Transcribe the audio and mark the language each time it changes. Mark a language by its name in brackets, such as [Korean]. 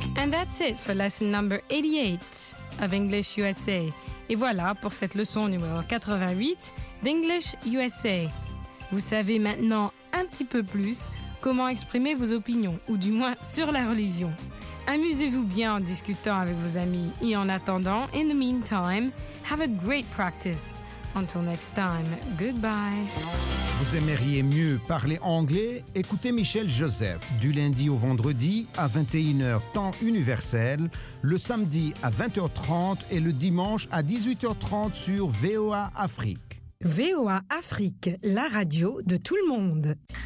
[English] That's it for lesson number 88 of English USA. [French] Et voilà pour cette leçon numéro 88 d'English USA. Vous savez maintenant un petit peu plus comment exprimer vos opinions, ou du moins sur la religion. Amusez-vous bien en discutant avec vos amis. Et en attendant, [English] in the meantime, have a great practice. Until next time, goodbye. [French] Vous aimeriez mieux parler anglais? Écoutez Michel Joseph du lundi au vendredi à 21h temps universel, le samedi à 20h30 et le dimanche à 18h30 sur VOA Afrique. VOA Afrique, la radio de tout le monde.